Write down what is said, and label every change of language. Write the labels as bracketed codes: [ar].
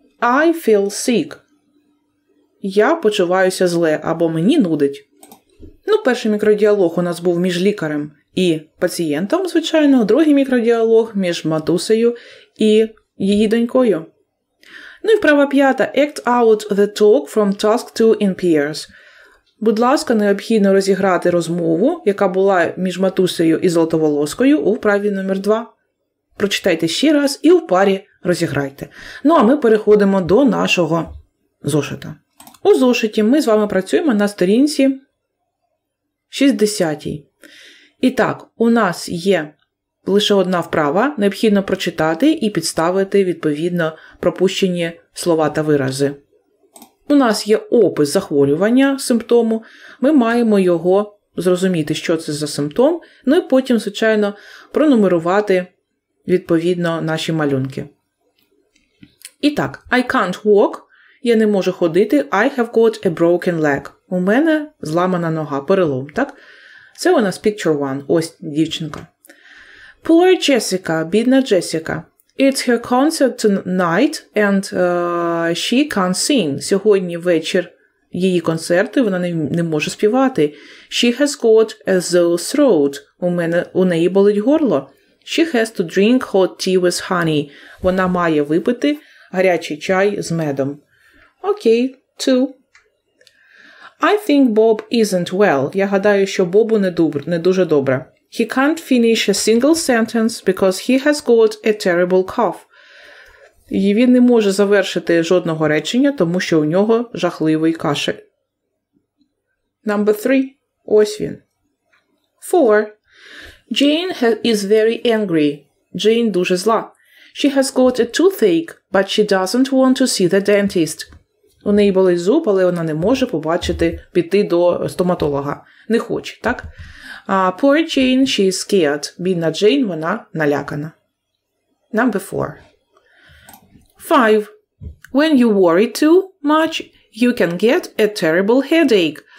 [en] I feel sick. [uk] Я почуваюся зле або мені нудить. Ну, перший мікродіалог у нас був між лікарем і пацієнтом, звичайно. Другий мікродіалог між матусею і її донькою. Ну і вправа п'ята. [en] Act out the talk from task 2 in pairs. [uk] Будь ласка, необхідно розіграти розмову, яка була між матусею і золотоволоскою у вправі номер 2. Прочитайте ще раз і у парі розіграйте. Ну а ми переходимо до нашого зошита. У зошиті ми з вами працюємо на сторінці 60. І так, у нас є лише одна вправа, необхідно прочитати і підставити, відповідно, пропущені слова та вирази. У нас є опис захворювання, симптому, ми маємо його зрозуміти, що це за симптом, ну і потім, звичайно, пронумерувати, відповідно, наші малюнки. І так, [en] I can't walk, [uk] я не можу ходити, [en] I have got a broken leg. [uk] У мене зламана нога, перелом, так? Це у нас [en] picture one, [uk] ось дівчинка. [en] Poor Jessica, [uk] бідна Джесіка. [en] It's her concert tonight and she can't sing. [uk] Сьогодні вечір її концерти, вона не може співати. [en] She has got a sore throat. [uk] У неї болить горло. [en] She has to drink hot tea with honey. [uk] Вона має випити гарячий чай з медом. [en] Okay, two. I think Bob isn't well. [uk] Я гадаю, що Бобу не дуже добре. [en] He can't finish a single sentence because he has got a terrible cough. [uk] І він не може завершити жодного речення, тому що у нього жахливий кашель. [en] Number 3. [uk] Ось він. [en] 4. Jane is very angry. Jane [uk] дуже зла. [en] She has got a toothache, but she doesn't want to see the dentist. [uk] У неї болить зуб, але вона не може побачити, піти до стоматолога. Не хоче, так? [en] Poor Jane, she is scared. [uk] Бідна Джейн, вона налякана. [en] Number 4. 5. When you worry too much, you can get a terrible headache.